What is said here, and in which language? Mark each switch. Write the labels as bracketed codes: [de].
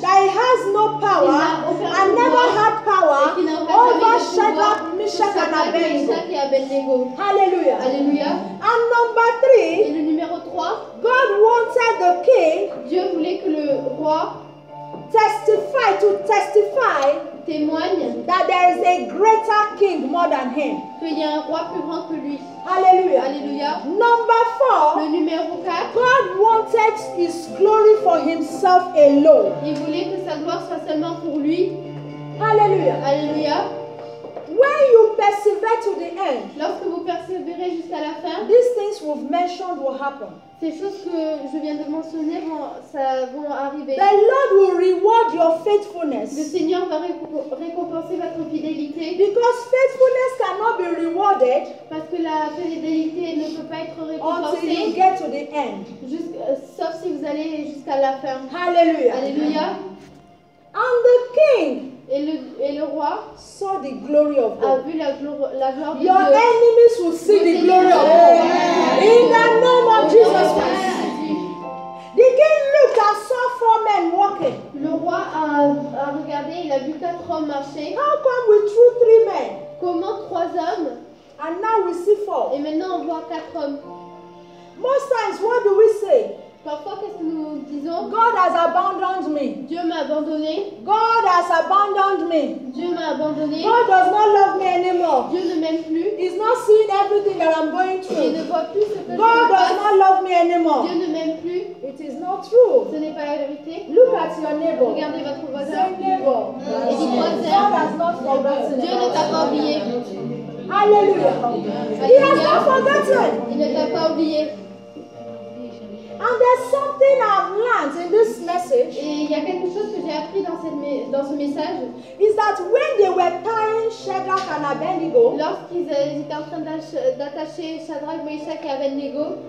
[en] that he has no power and never had power over Shadrach, Meshach and Abednego. Hallelujah. [fr] Hallelujah. [en] And number three. [fr] Et le numéro trois. [en] God wanted the king. [fr] Dieu voulait que le roi [en] testify [fr] témoigne [en] that there is a greater king more than him. [fr] Qu'il y a un roi plus grand que lui. [en] Hallelujah. [fr] Hallelujah. [en] Number four. [fr] Le numéro 4. [en] God wanted his glory for himself alone. [fr] Il voulait que sa gloire soit seulement pour lui. [en] Hallelujah. [fr] Hallelujah. [en] When you persevere to the end, [fr] lorsque vous persévérez jusqu'à la fin, [en] these things we've mentioned will happen. [fr] Ces choses que je viens de mentionner vont arriver. [en] The Lord will reward your faithfulness. [fr] Le Seigneur va récompenser votre fidélité. [en] Because faithfulness cannot be rewarded. [fr] Parce que la fidélité ne peut pas être récompensée. [en] Until you get to the end. [fr] Sauf si vous allez jusqu'à la fin. [en] Hallelujah. [fr] Hallelujah. [en] And the king. [fr] Et le roi [en] saw the glory of God. [fr] A vu la gloire de [en] Your enemies will see [fr] Le [en] the glory of God. In the name of Jesus Christ. The king looked and saw four men walking. [fr] Le roi a regardé, il a vu quatre hommes marcher. [en] How come we threw three men? [fr] Comment trois hommes? [en] And now we see four. [fr] Et maintenant on voit quatre hommes. [en] Most times, what do we say? [fr] Parfois, qu'est-ce que nous disons? [en] God has abandoned me. [fr] Dieu m'a abandonné. [en] God has abandoned me. [fr] Dieu m'a abandonné. [en] God does not love me anymore. [fr] Dieu ne m'aime plus. [en] He's not seeing everything that I'm going through. [fr] Il ne voit plus ce que je passe. [en] God does not love me anymore. [fr] Dieu ne m'aime plus. [en] It is not true. [fr] Ce n'est pas la vérité. [en] Look at your neighbor. [fr] Regardez votre voisin. [en] Say neighbor. Yes. Et God has not forgotten. [fr] Dieu ne t'a pas oublié. [en] Hallelujah. He has not forgotten. [fr] Il ne t'a pas oublié. [en] And there's something I've learned in this message. [fr] Et il y a quelque chose que j'ai appris dans ce message. [en] Is that when they were tying Shadrach and Abednego? [fr] Lorsqu'ils étaient en train d'attacher Shadrach, Meshach et Abednego,